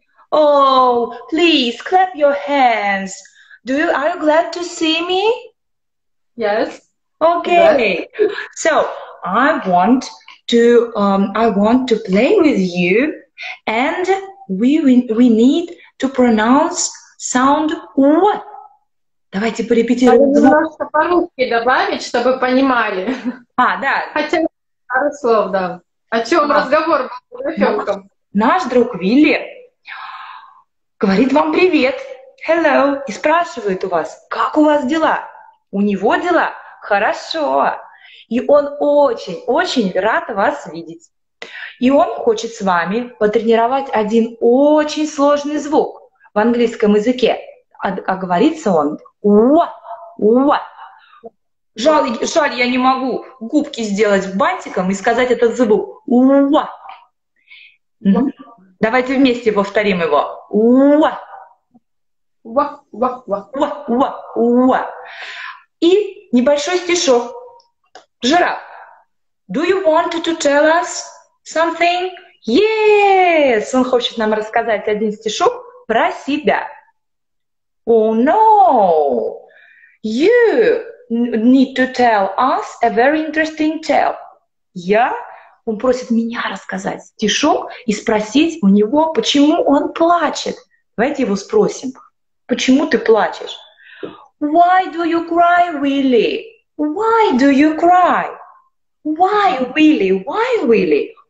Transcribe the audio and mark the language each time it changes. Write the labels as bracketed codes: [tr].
[en] Oh, please clap your hands. Are you glad to see me? Yes. Okay. Yes. So, I want to play with you, and we need to pronounce sound U. [ru] Давайте порепетируем. Немножко по-русски добавить, чтобы понимали. А, да. Хотя пару слов, да. О чем разговор был с Рафёнком? Наш друг Вилли говорит вам привет. [en] Hello. [ru] И спрашивает у вас, как у вас дела? У него дела? Хорошо. И он очень-очень рад вас видеть. И он хочет с вами потренировать один очень сложный звук в английском языке. А говорится он «уа», «уа». Жаль, я не могу губки сделать бантиком и сказать этот звук «уа». Давайте вместе повторим его «уа». «Уа», «уа», «уа», «уа». И небольшой стишок. [en] Жираф, do you want to tell us something? Yes! [ru] Он хочет нам рассказать один стишок про себя. [en] Oh, no! You need to tell us a very interesting tale. [ru] Он просит меня рассказать стишок и спросить у него, почему он плачет. Давайте его спросим. Почему ты плачешь? [en] Why do you cry, Willy? Why do you cry? Why, Willy? Why, Willy?